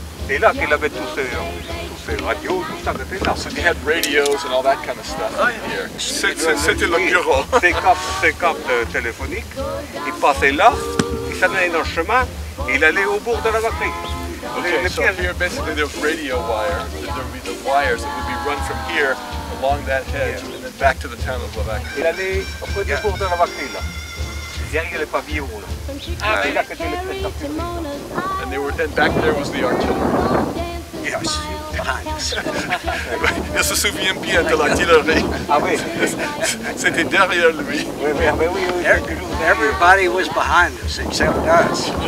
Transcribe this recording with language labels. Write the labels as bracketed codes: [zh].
[fr] Et là qu'il avait tous ces radios, tout ça, c'était là. [en] So he had radios and all that kind of stuff. [fr] C'était le bureau. Ces câbles téléphoniques, il passait là, il s'en allait dans le chemin, et il allait au bord de la batterie. [en] Okay, here basically the radio wire, there would be the wires that would be run from here along that hedge and then back to the town of Levac. [fr] Il allait au bord de la batterie là. [en] And they were, and back there was the artillery. Yes, behind us. [fr] Il se souvient bien de l'artillerie. Ah oui. C'était derrière lui. [en] Everybody was behind us except us.